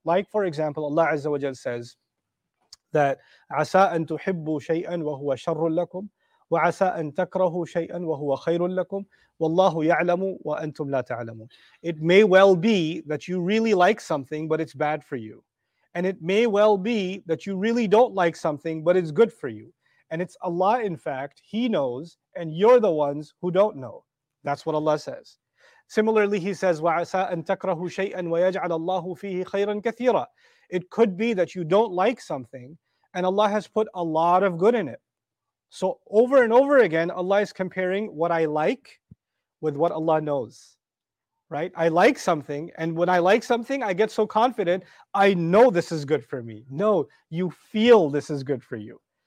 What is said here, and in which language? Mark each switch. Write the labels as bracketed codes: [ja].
[en] Like, for example, Allah Azza wa Jal says that [ar] عَسَىٰ أَن تُحِبُّوا شَيْئًا وَهُوَ شَرٌّ لَكُمْ وَعَسَىٰ أَن تَكْرَهُوا شَيْئًا وَهُوَ خَيْرٌ لَكُمْ وَاللَّهُ يَعْلَمُ وَأَنْتُمْ لَا تَعْلَمُونَ. [en] It may well be that you really like something, but it's bad for you. And it may well be that you really don't like something, but it's good for you. And it's Allah, in fact, He knows, and you're the ones who don't know. That's what Allah says. Similarly, He says, [ar] وَعَسَىٰ أَن تَكْرَهُ شَيْئًا وَيَجْعَلَ اللَّهُ فِيهِ خَيْرًا كَثِيرًا. [en] It could be that you don't like something, and Allah has put a lot of good in it. So over and over again, Allah is comparing what I like with what Allah knows. Right? I like something, and when I like something, I get so confident, I know this is good for me. No, you feel this is good for you.